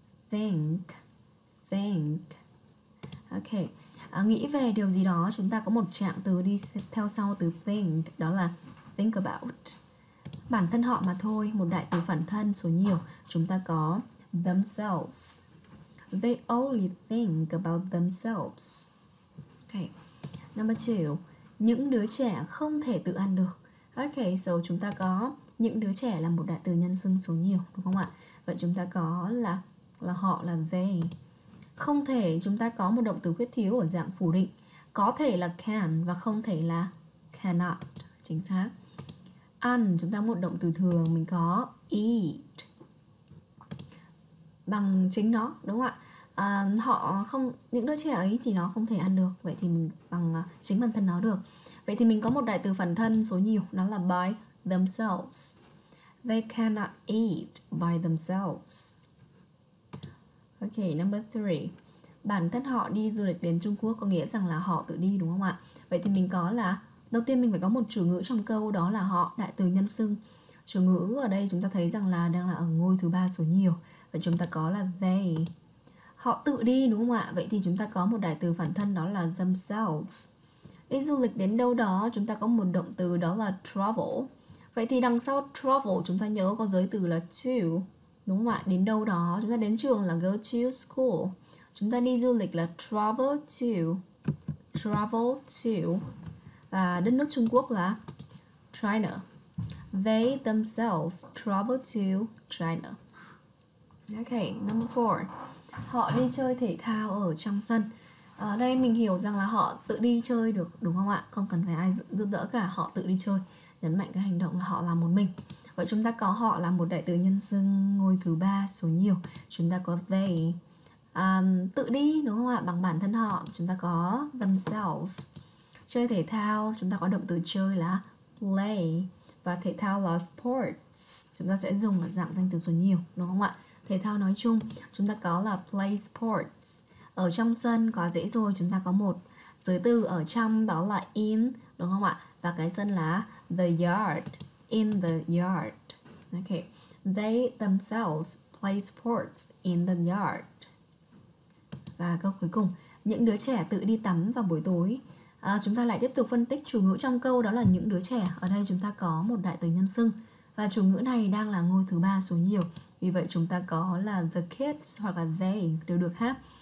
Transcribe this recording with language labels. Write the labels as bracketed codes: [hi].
[en] Think, think. Ok. [vi] Nghĩ về điều gì đó, chúng ta có một trạng từ đi theo sau từ think, đó là [en] think about. [vi] Bản thân họ mà thôi, một đại từ phản thân số nhiều, chúng ta có themselves. [en] They only think about themselves. Okay. Number two, [vi] những đứa trẻ không thể tự ăn được. [en] Okay, so [vi] chúng ta có những đứa trẻ là một đại từ nhân xưng số nhiều, đúng không ạ? Vậy chúng ta có là họ là they. Không thể, chúng ta có một động từ khuyết thiếu ở dạng phủ định. Có thể là can và không thể là cannot. Chính xác. Ăn, chúng ta một động từ thường, mình có eat. Bằng chính nó, đúng không ạ? Họ không, những đứa trẻ ấy thì nó không thể ăn được. Vậy thì mình bằng chính bản thân nó được. Vậy thì mình có một đại từ phản thân số nhiều, đó là [en] by themselves. They cannot eat by themselves. Ok, number 3. [vi] Bản thân họ đi du lịch đến Trung Quốc có nghĩa rằng là họ tự đi, đúng không ạ? Vậy thì mình có là, đầu tiên mình phải có một chủ ngữ trong câu, đó là họ, đại từ nhân xưng. Chủ ngữ ở đây chúng ta thấy rằng là đang là ở ngôi thứ ba số nhiều. Vậy chúng ta có là they. Họ tự đi, đúng không ạ? Vậy thì chúng ta có một đại từ phản thân, đó là themselves. Đi du lịch đến đâu đó, chúng ta có một động từ, đó là travel. Vậy thì đằng sau travel chúng ta nhớ có giới từ là to, đúng không ạ? Đến đâu đó, chúng ta đến trường là [en] go to school. [vi] Chúng ta đi du lịch là [en] travel to. Travel to. [vi] Và đất nước Trung Quốc là China. [en] They themselves travel to China. Ok, number 4. [vi] Họ đi chơi thể thao ở trong sân. Ở đây mình hiểu rằng là họ tự đi chơi được, đúng không ạ? Không cần phải ai giúp đỡ cả, họ tự đi chơi. Nhấn mạnh cái hành động là họ làm một mình. Vậy chúng ta có họ là một đại từ nhân xưng ngôi thứ ba số nhiều. Chúng ta có they. Tự đi, đúng không ạ? Bằng bản thân họ, chúng ta có themselves. Chơi thể thao, chúng ta có động từ chơi là play. Và thể thao là sports. Chúng ta sẽ dùng ở dạng danh từ số nhiều, đúng không ạ? Thể thao nói chung, chúng ta có là [en] play sports. [vi] Ở trong sân, quá dễ rồi, chúng ta có một giới từ ở trong, đó là in, đúng không ạ? Và cái sân là [en] the yard. In the yard. Okay. They themselves play sports in the yard. [vi] Và câu cuối cùng, những đứa trẻ tự đi tắm vào buổi tối. Chúng ta lại tiếp tục phân tích chủ ngữ trong câu, đó là những đứa trẻ. Ở đây chúng ta có một đại từ nhân xưng. Và chủ ngữ này đang là ngôi thứ ba số nhiều. Vì vậy chúng ta có là [en] the kids [vi] hoặc là they đều được ha.